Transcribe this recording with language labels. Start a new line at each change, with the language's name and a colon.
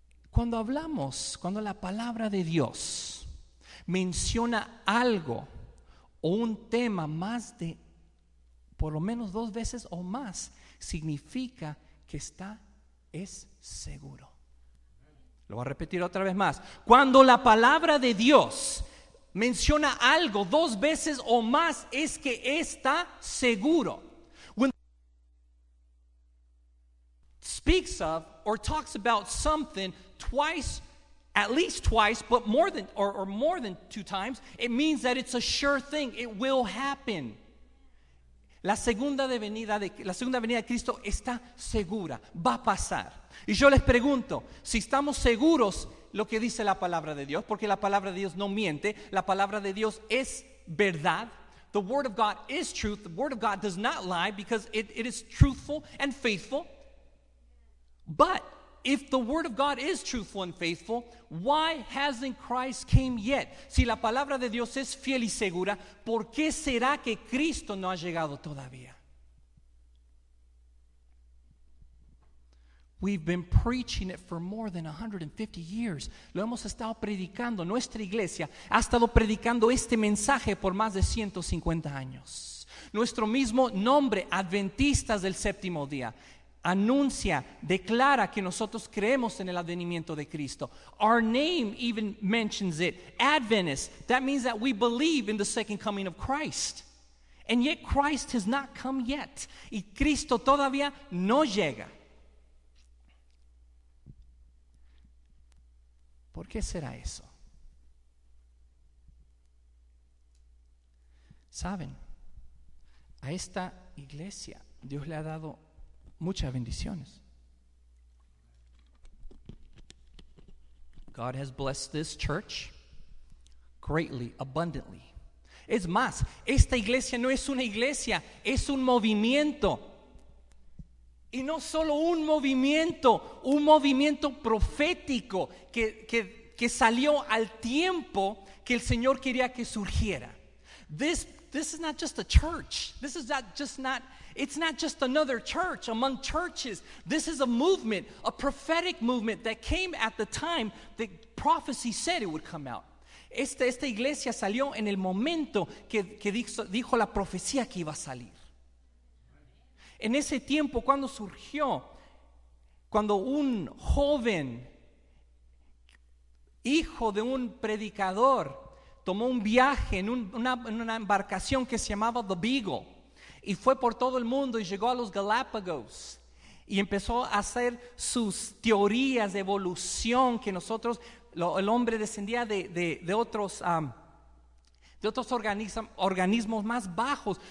Spanish: Cuando hablamos, cuando la palabra de Dios menciona algo o un tema más de por lo menos dos veces o más, significa que es seguro. Lo voy a repetir otra vez más. Cuando la palabra de Dios menciona algo dos veces o más, es que está seguro.
English: When speaks of or talks about something twice, at least twice, but more than or more than two times, it means that it's a sure thing. It will happen.
Spanish: La segunda venida de Cristo está segura, va a pasar. Y yo les pregunto, si estamos seguros lo que dice la palabra de Dios, porque la palabra de Dios no miente, la palabra de Dios es verdad.
English: The word of God is truth. The word of God does not lie because it is truthful and faithful. But if the word of God is truthful and faithful, why hasn't Christ came yet?
Spanish: Si la palabra de Dios es fiel y segura, ¿por qué será que Cristo no ha llegado todavía?
English: We've been preaching it for more than 150 years.
Spanish: Lo hemos estado predicando. Nuestra iglesia ha estado predicando este mensaje por más de 150 años. Nuestro mismo nombre, Adventistas del Séptimo Día, anuncia, declara que nosotros creemos en el advenimiento de Cristo.
English: Our name even mentions it. Adventist, that means that we believe in the second coming of Christ. And yet Christ has not come yet.
Spanish: Y Cristo todavía no llega. ¿Por qué será eso? ¿Saben? A esta iglesia Dios le ha dado muchas bendiciones.
English: God has blessed this church greatly, abundantly.
Spanish: Es más, esta iglesia no es una iglesia, es un movimiento. Y no solo un movimiento profético que salió al tiempo que el Señor quería que surgiera.
English: This is not just a church. This is not just not, it's not just another church among churches. This is a movement, a prophetic movement that came at the time that prophecy said it would come out.
Spanish: Esta iglesia salió en el momento que dijo la profecía que iba a salir. En ese tiempo, cuando surgió, cuando un joven hijo de un predicador tomó un viaje en una embarcación que se llamaba The Beagle y fue por todo el mundo y llegó a los Galápagos y empezó a hacer sus teorías de evolución que nosotros, el hombre descendía de otros organismos más bajos.